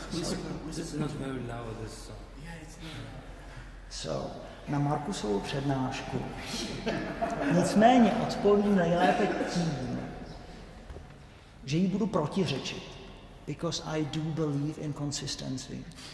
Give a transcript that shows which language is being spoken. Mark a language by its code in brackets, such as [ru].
[en] This is not very loud, this song. [cs] So, na Markusovu přednášku. Nicméně odpovím nejlépe tím, že jí budu protiřečit. [en] Because I do believe in consistency.